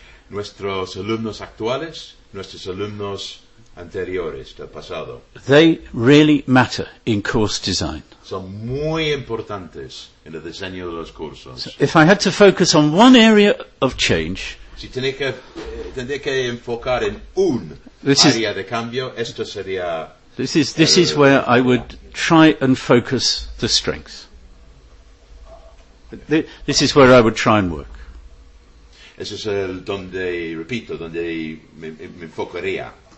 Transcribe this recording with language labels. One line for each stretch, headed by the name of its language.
Spanish: Nuestros alumnos actuales, nuestros alumnos anteriores del pasado.
English: They really matter in course design.
Spanish: Son muy importantes en el diseño de los cursos.
English: So if I had to focus on one area of change,
Spanish: si tendría que enfocar en un área de cambio, esto sería.
English: This is where I would try and focus the strengths. This is where I would try and work.
Spanish: Eso es el donde, repito, donde me enfocaría.